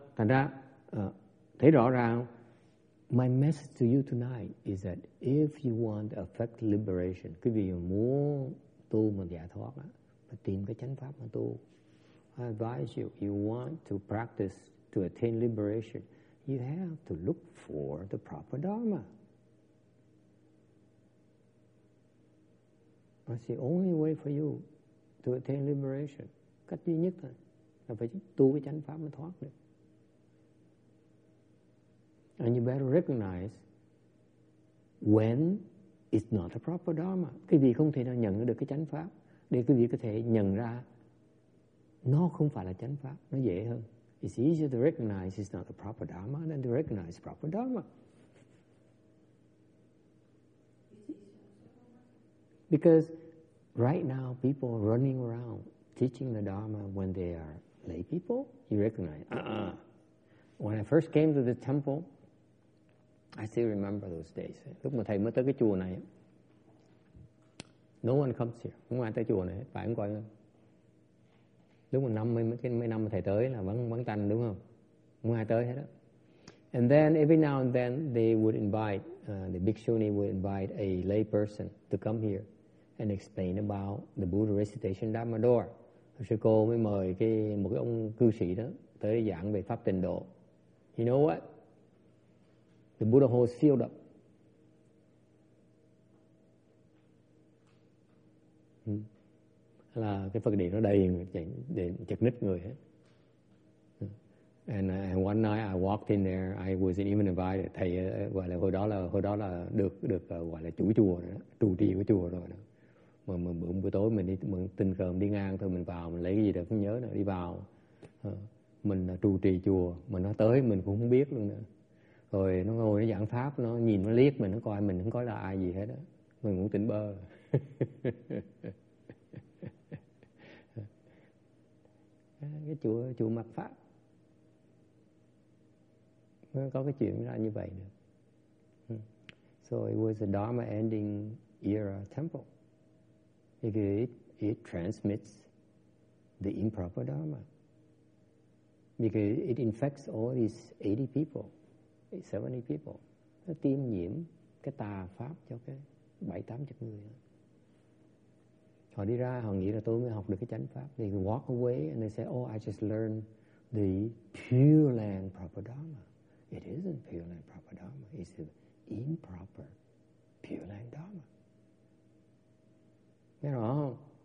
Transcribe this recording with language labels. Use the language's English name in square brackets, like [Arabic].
[Vietnamese] Thành ra, thấy rõ ràng, [English] my message to you tonight is that if you want to affect liberation, [Vietnamese] quý vị muốn tu mà giải thoát, mà tìm cái chánh pháp mà tu, [English] I advise you, you want to practice to attain liberation, you have to look for the proper Dharma. That's the only way for you to attain liberation. [Vietnamese] Cách duy nhất thôi là phải tu cái chánh pháp mới thoát được. [English] And you better recognize when it's not the proper Dharma. [Vietnamese] Cái vị không thể nào nhận được cái chánh pháp để cái vị có thể nhận ra nó không phải là chánh pháp, nó dễ hơn. [English] It's easier to recognize it's not the proper Dharma than to recognize proper Dharma. Because right now people are running around teaching the Dharma when they are lay people, you recognize. When I first came to the temple, I still remember those days. [Vietnamese] Lúc mà thầy mới tới cái chùa này, [English] no one comes here. [Vietnamese] Không ai tới chùa này, phải không quay không? Lúc mà năm mấy năm thầy tới là vẫn tanh đúng không? Không ai tới hết đó. [English] And then every now and then they would invite the bhikshuni would invite a lay person to come here and explain about the Buddha recitation Dharma door. [Vietnamese] Sư cô mới mời một cái ông cư sĩ đó tới giảng về pháp tịnh độ. [English] You know what? The Buddha hall is filled up. [Vietnamese] Là cái Phật điện nó đầy chật ních người hết. [English] And one night I walked in there, I wasn't even invited. [Vietnamese] Thầy gọi là hồi đó là được gọi là chủ chùa rồi đó, trụ trì của chùa rồi đó. Mà bữa tối mình đi, mình tình cờ mình đi ngang thôi, mình vào mình lấy cái gì đó không nhớ nữa, đi vào. Mình là trụ trì chùa, mà nó tới mình cũng không biết luôn nữa. Rồi nó ngồi nó giảng pháp, nó nhìn nó liếc mình, nó coi mình không có là ai gì hết á. Mình cũng tỉnh bơ. Cái chùa mặt pháp. Nó có cái chuyện ra như vậy nữa. [English] So it was a Dharma ending era temple. Because it transmits the improper Dharma. Because it infects all these 80 people. 70 people. [Vietnamese] Nó tiêm nhiễm cái tà pháp cho cái 70-80 người. Họ đi ra, họ nghĩ là tôi mới học được cái chánh pháp. [English] They walk away and they say, oh, I just learned the Pure Land proper Dharma. It isn't Pure Land proper Dharma. It's the improper Pure Land Dharma. [Vietnamese] Nghe rõ không?